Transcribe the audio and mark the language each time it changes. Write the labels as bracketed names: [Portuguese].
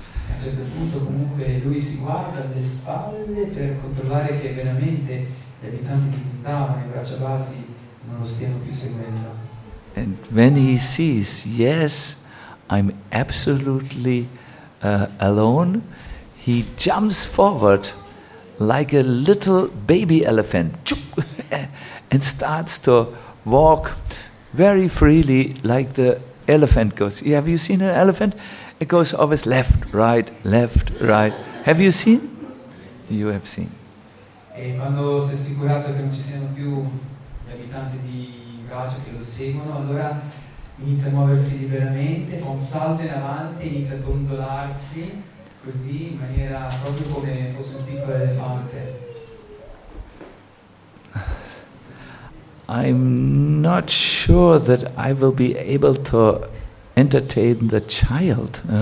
[Italian] A un certo punto comunque lui si guarda alle spalle per controllare che veramente gli abitanti di Vrindavan, i Brajavasi, non lo stiano più seguendo. [English] And when he sees, yes, I'm absolutely alone, he jumps forward like a little baby elephant and starts to walk very freely like the elephant goes. Yeah, have you seen an elephant? It goes always left, right, left, right. Have you seen? You have seen. [Italian] E quando si è assicurato che non ci siano più gli abitanti di Braccio che lo seguono, allora inizia a muoversi liberamente, fa un salto in avanti, inizia a dondolarsi così, in maniera proprio come fosse un piccolo elefante. [English] I'm not sure that I will be able to entertain the child.